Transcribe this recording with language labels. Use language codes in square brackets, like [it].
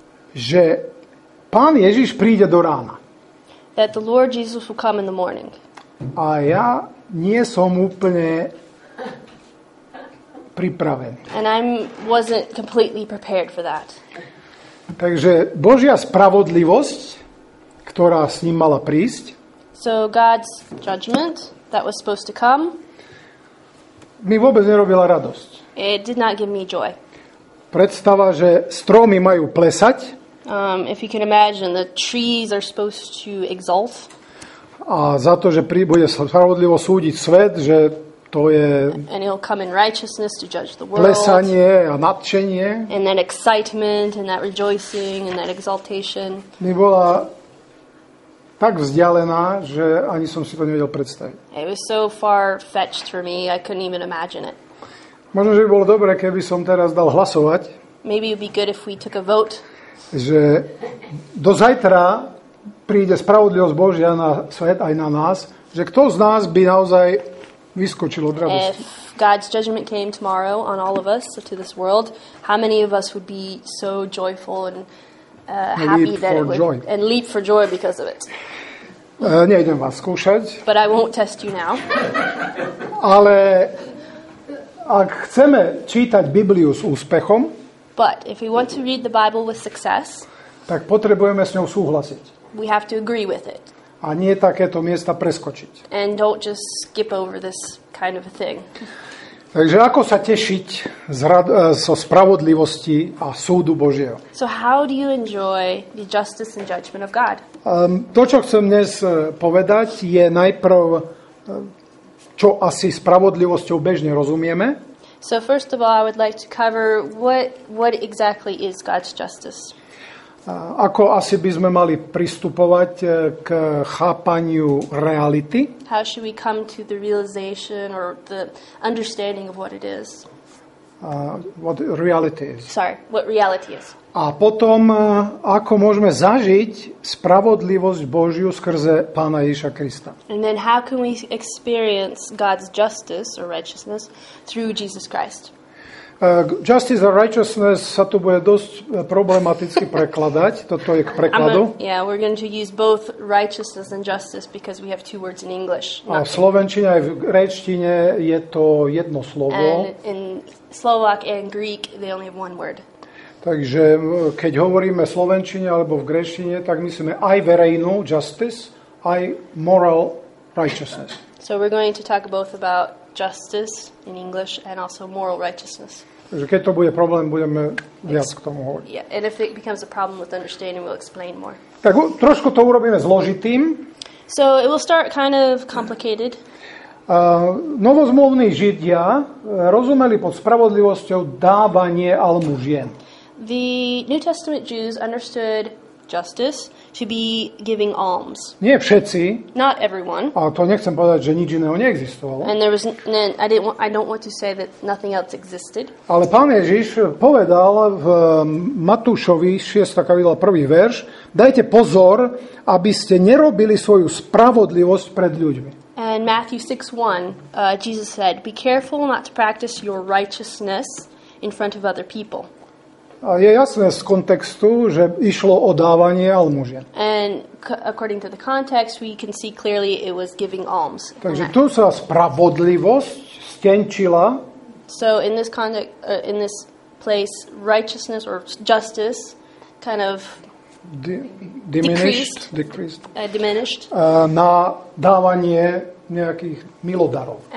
[sk] že Pán Ježiš príde do rána. [en] That the Lord Jesus will come in the morning. [sk] A ja nie som úplne pripravený. [en] And I wasn't completely prepared for that. [sk] Takže Božia spravodlivosť, ktorá s ním mala prísť, [en] so God's judgment that was supposed to come, [sk] mi vôbec nerobila radosť. [en] It did not give me joy. [sk] Predstava, že stromy majú plesať. [en] If you can imagine, the trees are supposed to exult. [sk] A za to, že bude spravodlivo súdiť svet, že to je [en] and he'll come in righteousness to judge the world. [sk] Plesanie a nadšenie. [en] And that excitement and that rejoicing and that exaltation. [sk] Mi bola tak vzdialená, že ani som si to nevedel predstaviť. [en] It was so far fetched for me, I couldn't even imagine it. [sk] Možno, že by bolo dobre, keby som teraz dal hlasovať. [en] Maybe it would be good if we took a vote. [sk] Že do zajtra príde spravodlivosť Božia na svet aj na nás, že kto z nás by naozaj vyskočil od radosti. [en] If God's judgment came tomorrow on all of us, to this world, how many of us would be so joyful and happy that it would, and leap for joy because of it? [sk] Nejdem vás skúšať. [en] But I won't test you now. [sk] Ale ak chceme čítať Bibliu s úspechom, [en] but if we want to read the Bible with success, [sk] tak potrebujeme s ňou súhlasiť. [en] We have to agree with it. [sk] A nie takéto miesta preskočiť. [en] And don't just skip over this kind of a thing. [sk] Takže ako sa tešiť zo spravodlivosti a súdu Božieho? [en] So how do you enjoy the justice and judgment of God? [sk] To, čo chcem dnes povedať, je najprv, čo asi spravodlivosťou bežne rozumieme. [en] So first of all, I would like to cover what exactly is God's justice. [sk] Ako asi by sme mali pristupovať k chápaniu reality? [en] How should we come to the realization or the understanding of what it is? what reality is. Sorry, what reality is. [sk] A potom, ako môžeme zažiť spravodlivosť Božiu skrze Pána Ježiša Krista. [en] And then how can we experience God's justice or righteousness through Jesus Christ? Justice or righteousness [sk] sa tu bude dosť problematicky prekladať. Toto je k prekladu. [en] Yeah, we're going to use both righteousness and justice because we have two words in English. [sk] A v slovenčine aj v gréčtine je to jedno slovo. [en] And in Slovak and Greek, they only have one word. [sk] Takže keď hovoríme slovenčine alebo v gréčtine, tak myslíme aj verejnú justice, aj moral righteousness. [en] So we're going to talk both about justice in English and also moral righteousness. [sk] Takže keď to bude problém, budeme viac k tomu hovoriť. [en] Yeah, and if it becomes a problem with understanding, we'll explain more. [sk] Tak trošku to urobíme zložitým. [en] So it will start kind of complicated. [sk] Novozmluvní Židia rozumeli pod spravodlivosťou dávanie almužien. [en] The New Testament Jews understood justice to be giving alms. [sk] Nie všetci. [en] Not everyone. [sk] A to nechcem povedať, že nič iného neexistovalo. [en] And there was I don't want to say that nothing else existed. [sk] Ale Pán Ježiš povedal v Matúšovi 6. kapitola 1. verš: "Dajte pozor, aby ste nerobili svoju spravodlivosť pred ľuďmi." [en] And Matthew 6:1, Jesus said, "Be careful not to practice your righteousness in front of other people." [sk] A je jasné z kontextu, že išlo o dávanie almužien. [en] And according to the context, we can see clearly it was giving alms. [sk] Takže tu sa spravodlivosť stenčila. [en] So in this context, in this place, righteousness or justice kind of diminished. [sk] Na dávanie nejakých milodarov.